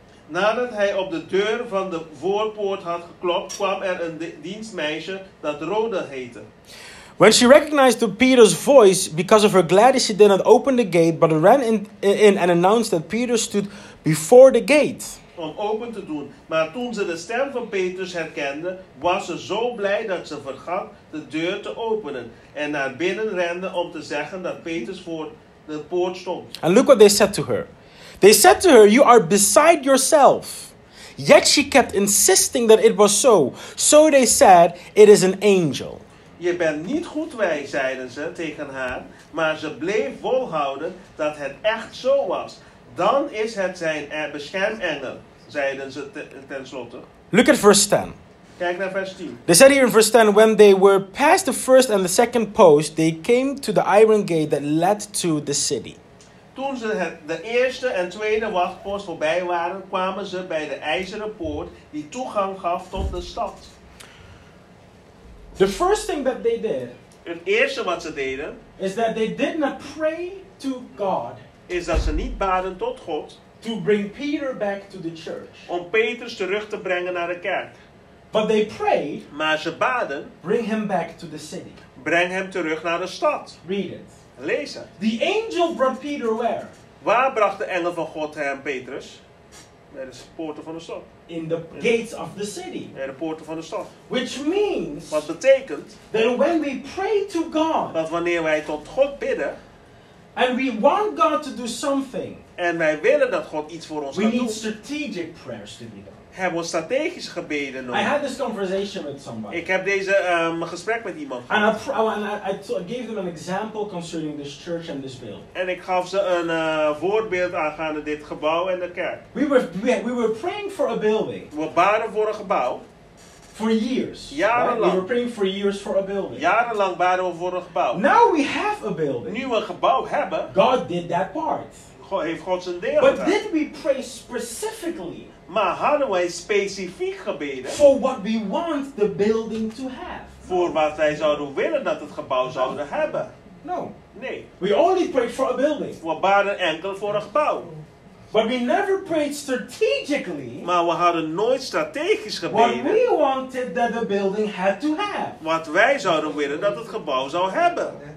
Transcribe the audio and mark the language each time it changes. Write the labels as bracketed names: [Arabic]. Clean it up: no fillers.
[Dutch] Nadat hij op de deur van de voorpoort had geklopt, kwam er een dienstmeisje dat Rhoda heette. [English] When she recognized Peter's voice, because of her gladness, she did not open the gate, but ran in and announced that Peter stood before the gate. [Dutch] Om open te doen. Maar toen ze de stem van Petrus herkende, was ze zo blij dat ze vergat de deur te openen. En naar binnen rende om te zeggen dat Petrus voor de poort stond. [English] And look what they said to her. They said to her, "You are beside yourself." Yet she kept insisting that it was so. So they said, "It is an angel." [Dutch] Je bent niet goed wij, zeiden ze tegen haar, maar ze bleef volhouden dat het echt zo was. Dan is het zijn beschermengel, zeiden ze tenslotte. [English] Look at verse 10. [Dutch] Kijk naar vers 10. [English] They said here in verse 10, when they were past the first and the second post, they came to the iron gate that led to the city. [Dutch] Toen ze de eerste en tweede wachtpost voorbij waren, kwamen ze bij de ijzeren poort die toegang gaf tot de stad. [English] The first thing that they did, [Dutch] het eerste wat ze deden, [English] is that they did not pray to God, [Dutch] is dat ze niet baden tot God, [English] to bring Peter back to the church, [Dutch] om Petrus terug te brengen naar de kerk, [English] but they prayed, [Dutch] maar ze baden, [English] bring him back to the city, [Dutch] breng hem terug naar de stad. [English] Read it. [Dutch] Lees het. [English] The angel brought Peter where? [Dutch] Waar bracht de engel van God hem, Petrus? Bij de poorten van de stad. [English] In the gates of the city. [Dutch] Bij de poorten van de stad. [English] Which means. [Dutch] Wat betekent. [English] That when we pray to God. [Dutch] Dat wanneer wij tot God bidden. [English] And we want God to do something. [Dutch] En wij willen dat God iets voor ons gaat doen. [English] We need strategic prayers to be done. [Dutch] Hebben we strategisch gebeden nodig. [English] I had this conversation with somebody. [Dutch] Ik heb deze gesprek met iemand gehad. [English] And I gave them an example concerning this church and this building. [Dutch] En ik gaf ze een voorbeeld aangaande dit gebouw en de kerk. [English] We were praying for a building. [Dutch] We baden voor een gebouw. [English] For years. [Dutch] Jarenlang. [English] Right? We were praying for years for a building. [Dutch] Jarenlang baden we voor een gebouw. [English] Now we have a building. [Dutch] Nu we een gebouw hebben. [English] God did that part. [Dutch] Heeft God zijn deel. [English] But did we pray specifically? [Dutch] Maar hadden wij specifiek gebeden? [English] For what we want the building to have. [Dutch] Voor wat wij zouden willen dat het gebouw zouden hebben. [English] No. [Dutch] Nee. [English] We only prayed for a building. [Dutch] We baden enkel voor een gebouw. [English] But we never prayed strategically. [Dutch] Maar we hadden nooit strategisch gebeden. [English] What we wanted that the building had to have. [Dutch] Wat wij zouden willen dat het gebouw zou hebben.